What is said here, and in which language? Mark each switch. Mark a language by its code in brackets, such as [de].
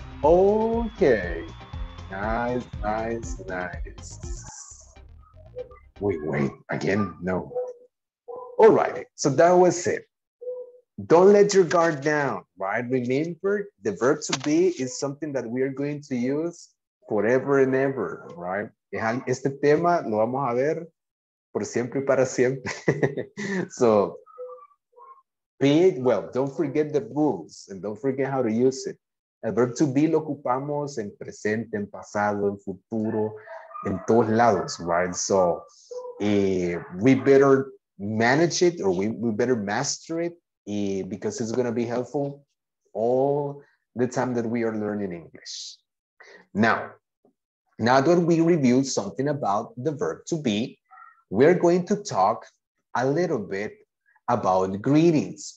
[en] Okay, nice, nice, nice. Wait, again? No. All right, so that was it. Don't let your guard down, right? Remember, the verb to be is something that we are going to use forever and ever, right? [es] Este tema lo vamos a ver por siempre y para siempre. [en] So, don't forget the rules and don't forget how to use it. [es] El verb to be lo ocupamos en presente, en pasado, en futuro, en todos lados, right? [en] So, we better manage it, or we better master it, because it's going to be helpful all the time that we are learning English. Now that we reviewed something about the verb to be, we're going to talk a little bit about greetings.